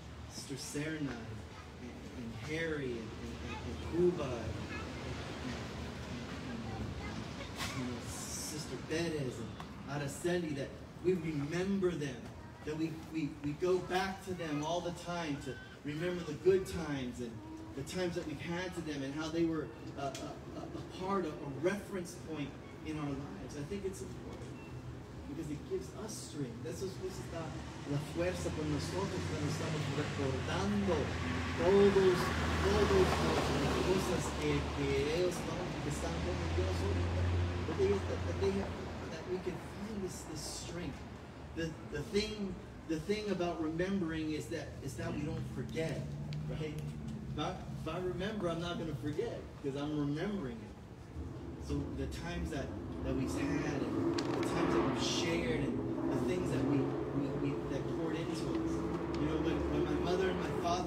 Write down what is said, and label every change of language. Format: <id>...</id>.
<en>Sister Serna and Harry and Cuba and Sister Perez and Araceli, that we remember them, that we go back to them all the time to remember the good times and the times that we've had to them and how they were a part of a reference point in our lives. I think it's important. Because it gives us strength.</en> <es>Eso es lo que está la fuerza con nosotros cuando estamos recordando todos las cosas que ellos están con nosotros.</es> <en>That we can find this strength. The thing about remembering is that we don't forget, right? If I remember, I'm not going to forget because I'm remembering it. So the times that we've had, and the times that we've shared, and the things that we that poured into us. You know, when my mother and my</en>